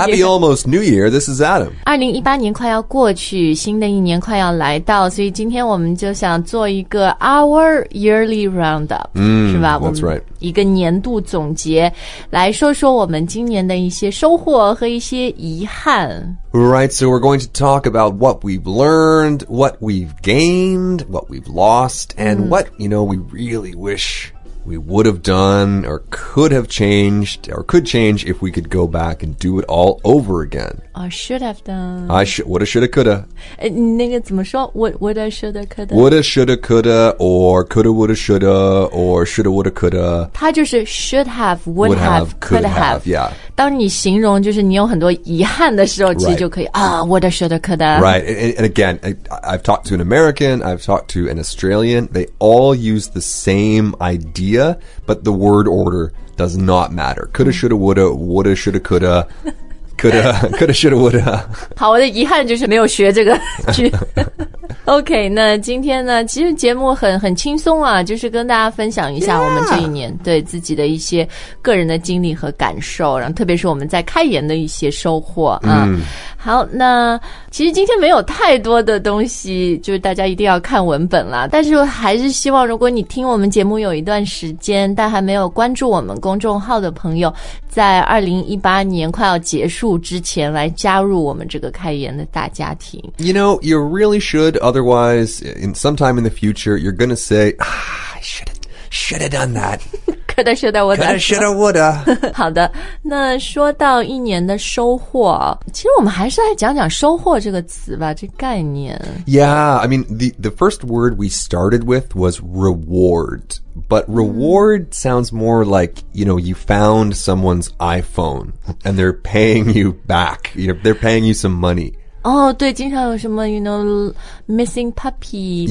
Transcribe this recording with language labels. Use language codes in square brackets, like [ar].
[en] Happy Almost New Year, this is Adam. [zh] 2018年快要过去，新的一年快要来到，所以今天我们就想做一个 [en] Our Yearly Roundup,、 [zh] 是吧 [en] That's right. [zh] 一个年度总结，来说说我们今年的一些收获和一些遗憾。 [en] Right, so we're going to talk about what we've learned, what we've gained, what we've lost, and、what, you know, we really wish we would have done or could have changed or could change if we could go back and do it all over again. Or should have done. Woulda, shoulda, coulda. [zh] 那个怎么说 [en] Woulda, shoulda, coulda. Woulda, shoulda, coulda, or coulda, woulda, shoulda, or shoulda, woulda, coulda. [zh] 它就是 [en] should have, would have, could have. Yeah. [zh] 当你形容就是你有很多遗憾的时候、其实就可以、 [en] woulda, shoulda, coulda. Right. And again, I've talked to an American, I've talked to an Australian, they all use the same ideaBut the word order does not matter. Coulda, shoulda, woulda, woulda, shoulda, coulda, coulda, coulda, shoulda, woulda. [zh] 好，我的遗憾就是没有学这个句。OK, 那今天呢，其实节目很轻松啊，就是跟大家分享一下我们这一年、对自己的一些个人的经历和感受，然后特别是我们在开源的一些收获啊。好，那其实今天没有太多的东西，就是大家一定要看文本啦。但是还是希望，如果你听我们节目有一段时间，但还没有关注我们公众号的朋友，在2018年快要结束之前来加入我们这个开源的大家庭。 [en] You know, you really should. Otherwise, in sometime in the future, you're going to say, I should have done that. Coulda, shoulda, woulda. Coulda, shoulda, woulda. [zh] 好的，那说到一年的收获，其实我们还是来讲讲收获这个词吧，这概念。 [en] Yeah, I mean, the first word we started with was reward. But reward sounds more like, you know, you found someone's iPhone and they're paying you back. You know, they're paying you some money. Oh, [zh] 对，经常有什么, [en] you know, missing puppy.